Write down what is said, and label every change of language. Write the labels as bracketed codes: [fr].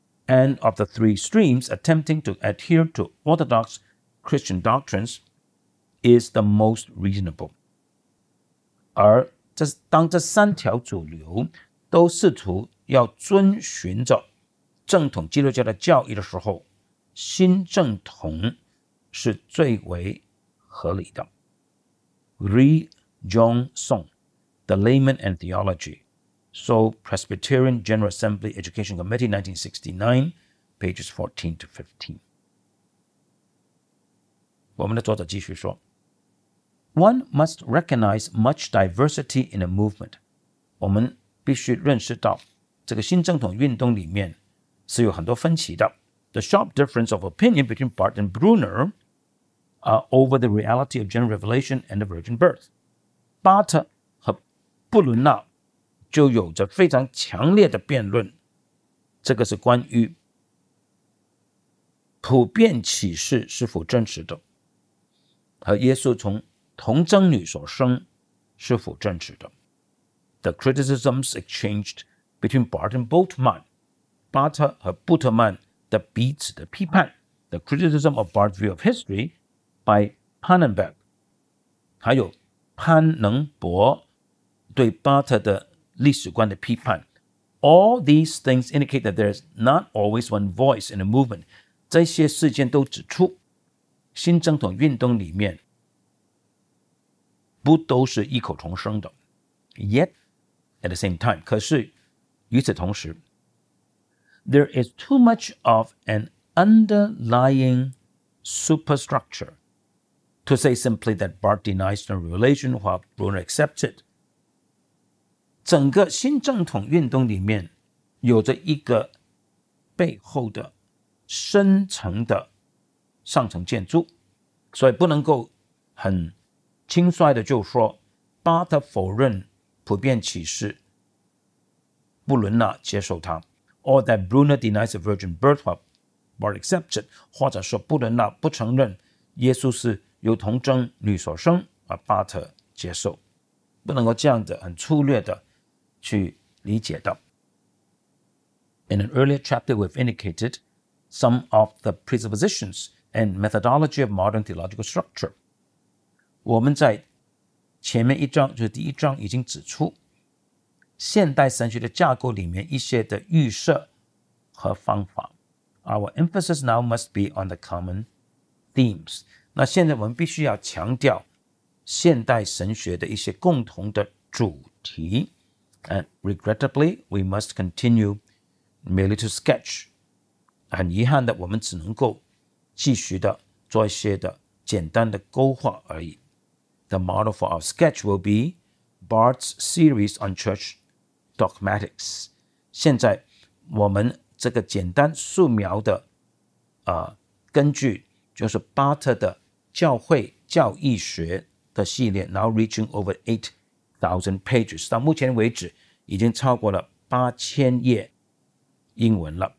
[en] And of the three streams attempting to adhere to orthodox Christian doctrines is the most reasonable， [zh] 而当这三条主流都试图要遵循着正统基督教的教义的时候，新正统是最为合理的。 [en] Read John Song, The Layman and Theology, Seoul Presbyterian General Assembly Education Committee, 1969, pages 14 to 15. [zh] 我们的作者继续说， [en] One must recognize much diversity in a movement. [zh] 我们必须认识到这个新正统运动里面是有很多分歧的。 [en] The sharp difference of opinion between Barth and Brunner、over the reality of general revelation and the virgin birth. [zh] 巴特和布伦纳就有着非常强烈的辩论，这个是关于普遍启示是否真实的，和耶稣从童贞女所生是否真实的。 [en] The criticisms exchangedbetween Barth and Bultmann, [zh] 巴特和布特曼的彼此的批判 [en] ,the criticism of Barth's view of history by Pannenberg, [zh] 还有潘能博对巴特的历史观的批判 [en] ,all these things indicate that there's not always one voice in a movement, [zh] 这些事件都指出新正统运动里面不都是异口同声的 [en] ,yet, at the same time, [zh] 可是与此同时 [en] There is too much of an underlying superstructure to say simply that Barth denies the revelation while Brunner accepts it. [zh] 整个新正统运动里面有着一个背后的深层的上层建筑，所以不能够很轻率的就说巴特否认普遍启示布伦纳接受他 [en] or that Brunner denies a virgin birth while Barth accepts it, [zh] 或者说布伦纳不承认耶稣是由童贞女所生而巴特接受，不能够这样的很粗略的去理解的。 [en] In an earlier chapter we've indicated some of the presuppositions and methodology of modern theological structure. [zh] 我们在前面一章就是第一章已经指出现代神学的架构里面一些的预设和方法。 [en] Our emphasis now must be on the common themes. [zh] 那现在我们必须要强调现代神学的一些共同的主题。 [en] And regrettably, we must continue merely to sketch. [zh] 很遗憾的，我们只能够继续的做一些的简单的勾画而已。 [en] The model for our sketch will be Barth's series on church dogmatics. [zh] 现在我们这个简单素描的、根据就是巴特的教会教义学的系列 [en] now reaching over 8,000 pages. [zh] 到目前为止已经超过了8000页英文了